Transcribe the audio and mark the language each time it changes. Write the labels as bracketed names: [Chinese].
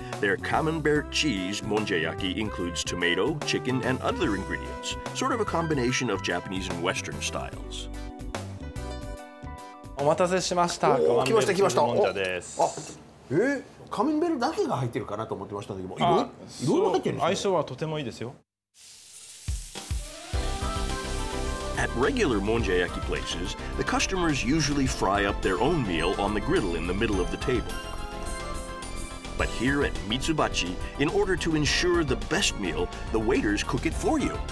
[English] Their camembert cheese monja yaki includes tomato, chicken and other ingredients, sort of a combination of Japanese and Western styles. [Japanese] お待たせしました、カマンベールチーズモンジャです。カメンベルだけが入ってるかなと思ってましたけど、いろいろ入ってるんですか。相性はとてもいいですよ。 [English] At regular monja yaki places, the customers usually fry up their own meal on the griddle in the middle of the table. But here at Mitsubachi, in order to ensure the best meal, the waiters cook it for you.